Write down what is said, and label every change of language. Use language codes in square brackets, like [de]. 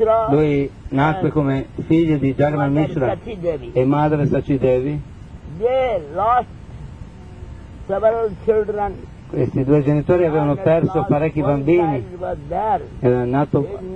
[it] Lui nacque come figlio di Jagannath Mishra e madre Sachi Devi. [en] They lost several children. [it] Questi due genitori avevano perso parecchi bambini. Era nato